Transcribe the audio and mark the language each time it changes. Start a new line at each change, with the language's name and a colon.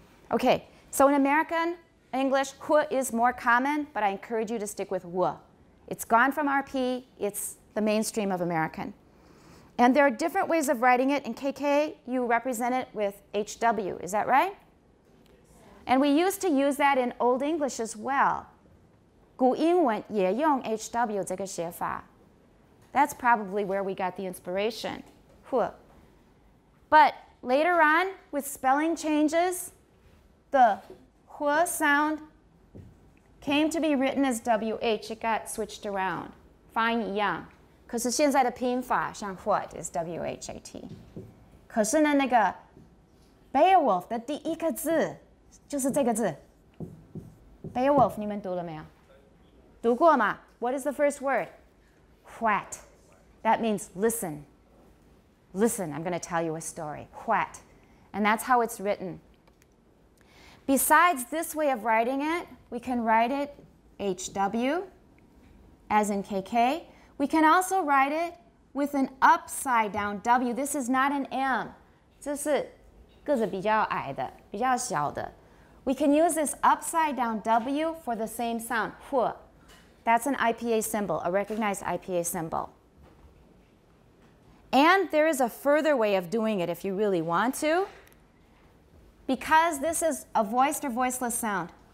English: Okay, so in American English, who is more common, but I encourage you to stick with who. It's gone from RP, it's the mainstream of American. And there are different ways of writing it. In KK, you represent it with HW, is that right? And we used to use that in Old English as well.
Chinese: 古英文也用 HW 这个写法。
English: That's probably where we got the inspiration. But later on, with spelling changes, the hua sound came to be written as WH. It got switched around. Fine, yang.
Chinese: 可是现在的拼法像
English: what is WHAT.
Chinese: 可是呢那个 Beowulf 的第一个字就是这个字 Beowulf 你们读了没有读过吗
English: What is the first word? What? That means listen. Listen, I'm going to tell you a story. What? And that's how it's written. Besides this way of writing it, we can write it HW, as in KK. We can also write it with an upside down W. This is not an M.
Chinese: 这是个子比较矮的，比较小的。
English: We can use this upside down W for the same sound. That's an IPA symbol, a recognized IPA symbol. And there is a further way of doing it if you really want to. Because this is a voiced or voiceless sound.